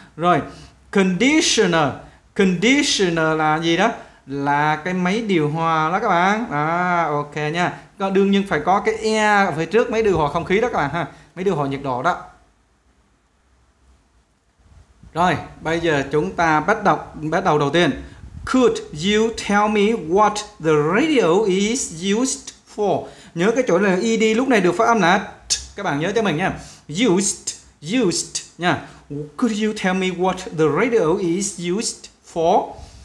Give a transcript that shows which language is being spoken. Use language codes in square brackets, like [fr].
[vi] Rồi, conditioner. Conditioner là gì đó? Là cái máy điều hòa đó các bạn. Đó, ok nha. Còn đương nhiên phải có cái air ở phía trước máy điều hòa không khí đó các bạn ha. Máy điều hòa nhiệt độ đó. Rồi, bây giờ chúng ta bắt đầu đầu tiên. [en] Could you tell me what the radio is used for? [vi] Nhớ cái chỗ là ED lúc này được phát âm là T, các bạn nhớ cho mình nha. Used nha. [en] Could you tell me what the radio is used for?